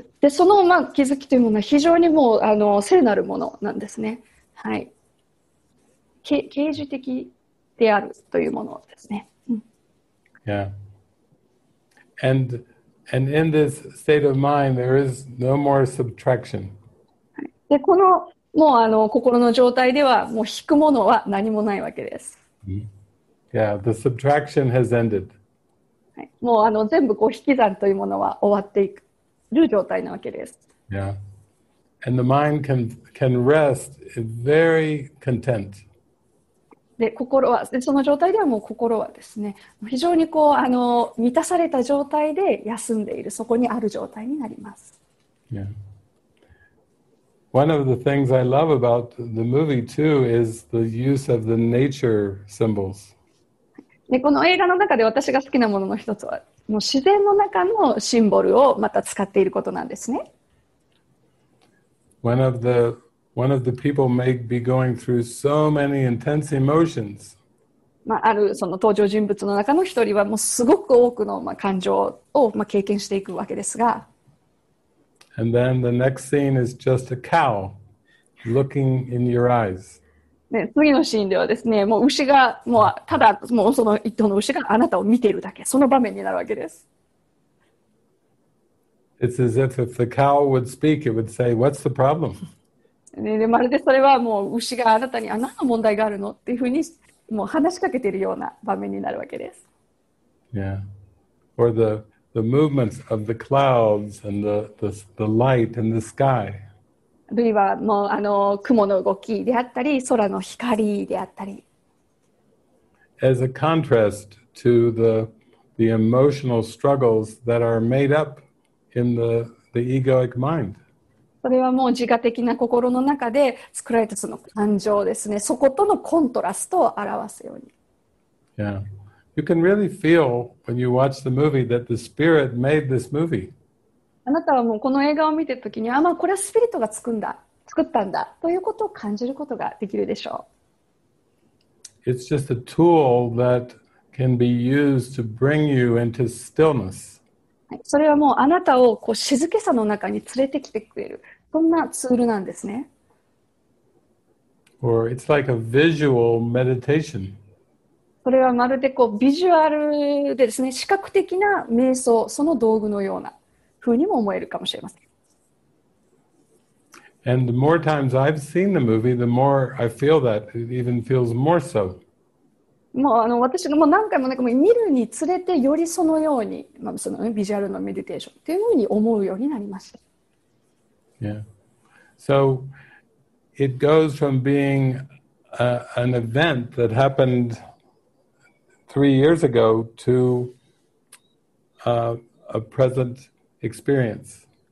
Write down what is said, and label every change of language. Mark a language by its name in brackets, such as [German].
[Japanese] その、まあ、気づきというものは非常にもう聖なるものなんですね。はい。啓示的であるというものですね。 [English] うん、yeah. And in this state of mind, there is no more subtraction. [Japanese] で、このもうあの心の状態ではもう引くものは何もないわけです。 [English] Yeah, the subtraction has ended. [Japanese] はい、もうあの全部こう引き算というものは終わっていく。る状態なわけです。 [English] Yeah. And the mind can rest very content. [Japanese] で、心は、で、その状態ではもう心はですね、非常にこう、あの、満たされた状態で休んでいる、そこにある状態になります。 [English] Yeah. One of the things I love about the movie too is the use of the nature symbols. [Japanese] で、この映画の中で私が好きなものの一つは、もう自然の中のシンボルをまた使っていることなんですね。 [English] One of the people may be going through so many intense emotions. [Japanese] まあ、あるその登場人物の中の一人はもうすごく多くのまあ感情をまあ経験していくわけですが。 [English] And then the next scene is just a cow looking in your eyes. [Japanese] ね、次のシーンではですね、もう牛が、もうただもうその一頭の牛があなたを見ているだけ、その場面になるわけです。 [English] It's as if the cow would speak, it would say, "What's the problem?" [Japanese] ね、で、まるでそれはもう牛があなたに、あ、何の問題があるのっていうふうに、もう話しかけているような場面になるわけです。 [English] Yeah. Or the movements of the clouds and the light and the sky. [Japanese] あるいはもうあの雲の動きであったり空の光であったり [English] As a contrast to the emotional struggles that are made up in the egoic mind [Japanese] それはもう自我的な心の中で作られたその感情ですねそことのコントラストを表すように [English] Yeah You can really feel when you watch the movie that the spirit made this movie [Japanese] あなたはもうこの映画を見てるときに、あ、まあこれはスピリットが作ったんだということを感じることができるでしょう。 [English] It's just a tool that can be used to bring you into stillness. [Japanese] それはもうあなたをこう静けさの中に連れてきてくれる、そんなツールなんですね。 [English] Or it's like a visual meditation. [Japanese] それはまるでこうビジュアルでですね、視覚的な瞑想、その道具のような。風にも思えるかもしれません。 [English] And the more times I've seen the movie, the more I feel that it even feels more so. [Japanese] もうあの私がもう何回もなんかもう見るにつれてよりそのようにまあその、ね、ビジュアルのメディテーションっていうふうに思うようになりました。 [English] Yeah. So it goes from being an event that happened 3 years ago to a present. Experience.